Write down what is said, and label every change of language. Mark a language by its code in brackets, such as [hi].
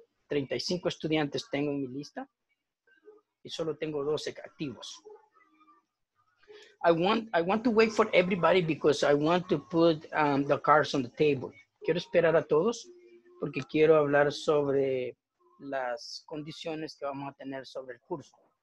[es] 35 estudiantes tengo en mi lista y solo tengo 12 activos. [en] I want to wait for everybody because I want to put the cards on the table. [es] Quiero esperar a todos porque quiero hablar sobre las condiciones que vamos a tener sobre el curso.